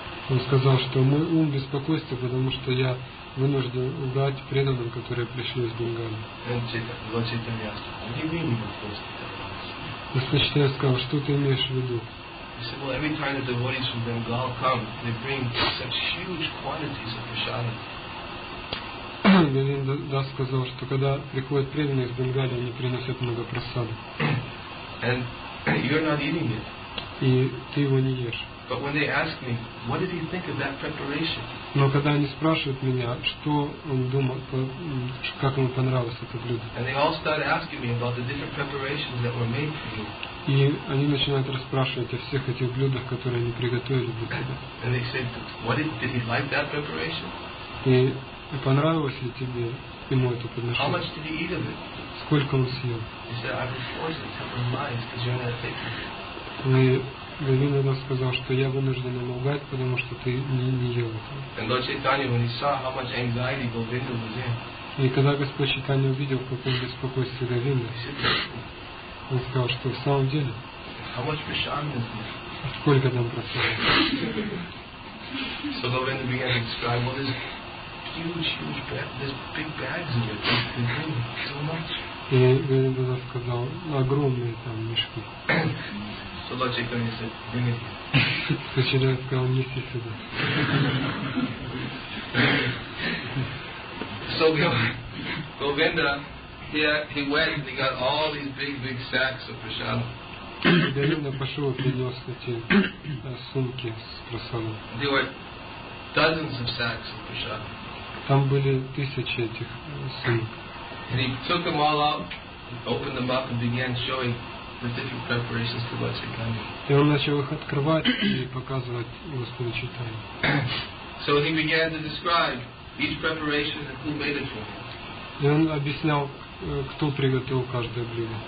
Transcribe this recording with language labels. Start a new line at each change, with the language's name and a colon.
Russian: Он сказал, что мой ум беспокойство, потому что я вынужден лгать преданным, которые пришли из Бенгала.
English: Lord Chaitanya asked, what do you mean you're forced to tell lies?
Russian: Господь Чайтанья сказал, что ты имеешь в виду?
English: He said, well, every time the devotees from Bengal come, they bring such huge quantities of prasadam.
Russian: Говинда Дас сказал, что когда приходят преданные из Бенгалии, они приносят много просады.
English: And you're not eating it.
Russian: И ты его не ешь.
English: But when they ask me, what did he think of that preparation?
Russian: Но когда они спрашивают меня, что он думал, как ему понравилось это блюдо.
English: And they all start asking me about the different preparations that were made for you.
Russian: И они начинают расспрашивать о всех этих блюдах, которые они приготовили для тебя.
English: And they say, did he like that preparation?
Russian: И понравилось ли тебе ему это подношение?
English: How much did he eat of it?
Russian: Сколько он съел?
English: He said, I was forced to tell him lies because you're not taking it.
Russian: И Говинда Дас сказал, что я вынужден ему лгать, потому что ты не ел это.
English: And Lord Chaitanya, when he saw how much anxiety Govinda was in.
Russian: И когда Господь Чайтанья увидел, в каком беспокойстве Говинда, он сказал, что в самом деле.
English: How much prasadam is this?
Russian: Сколько там просад?
English: So Govinda began to describe what is huge, huge bags. There's big bags in here. So much. And Govinda Das said,
Russian: "Огромные там мешки."
English: So Lord Chaitanya said, "Bring it here." Lord Chaitanya said,
Russian: "Неси сюда."
English: So Govinda, he went and he got all these big sacks of prasadam.
Russian: Говинда пошел и принес эти сумки с прасадом.
English: There were dozens of sacks of prasadam.
Russian: Там были тысячи этих сумок.
English: And he took them all out, opened them up, and began showing the different preparations to Lord Chaitanya.
Russian: И он начал их открывать и показывать Господу Чайтанье.
English: So he began to describe each preparation and who made it for him.
Russian: И он объяснял, кто приготовил каждое блюдо.